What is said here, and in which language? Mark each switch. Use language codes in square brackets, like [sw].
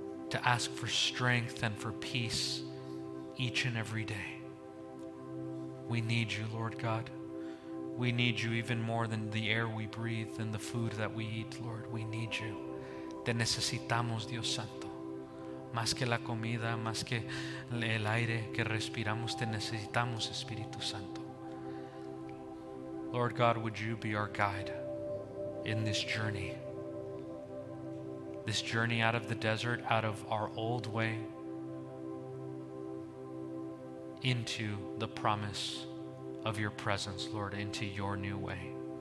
[en] To ask for strength and for peace each and every day. We need you, Lord God. We need you even more than the air we breathe and the food that we eat, Lord. We need you. [es] Te necesitamos, Dios Santo. Más que la comida, más que el aire que respiramos, te necesitamos, Espíritu Santo. [en] Lord God, would you be our guide in this journey? This journey out of the desert, out of our old way, into the promise of your presence, Lord, into your new way.